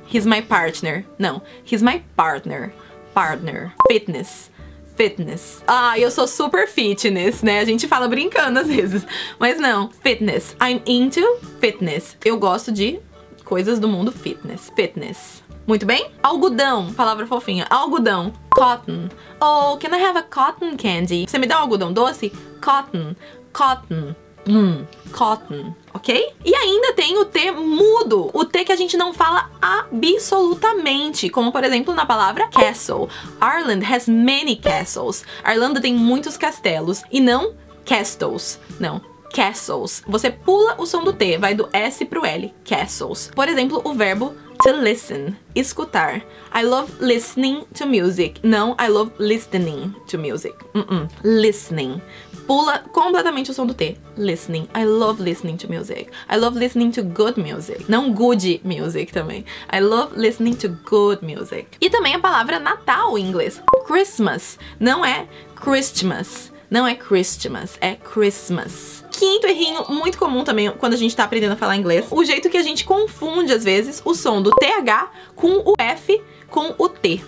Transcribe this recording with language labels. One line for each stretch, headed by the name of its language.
English: He's my partner.
Portuguese: Não.
English: He's my partner. Partner. Fitness. Fitness.
Portuguese: Ah, eu sou super fitness, né? A gente fala brincando às vezes. Mas não. Fitness.
English: I'm into fitness.
Portuguese: Eu gosto de coisas do mundo fitness. Fitness. Muito bem? Algodão. Palavra fofinha. Algodão. Cotton.
English: Oh, can I have a cotton candy?
Portuguese: Você me dá um algodão doce? Cotton. Cotton. Cotton, ok? E ainda tem o T mudo, o T que a gente não fala absolutamente, como por exemplo na palavra castle.
English: Ireland has many castles.
Portuguese: A Irlanda tem muitos castelos, e não castles, não, castles. Você pula o som do T, vai do S pro L, castles. Por exemplo, o verbo to listen, escutar.
English: I love listening to music.
Portuguese: Não,
English: I love listening to music. Listening.
Portuguese: Pula completamente o som do T. Listening.
English: I love listening to music. I love listening to good music.
Portuguese: Não
English: good music
Portuguese: também.
English: I love listening to good music.
Portuguese: E também a palavra Natal em inglês. Christmas. Não é Christmas. Não é Christmas, é Christmas. Quinto errinho, muito comum também quando a gente tá aprendendo a falar inglês. O jeito que a gente confunde, às vezes, o som do TH com o F com o T.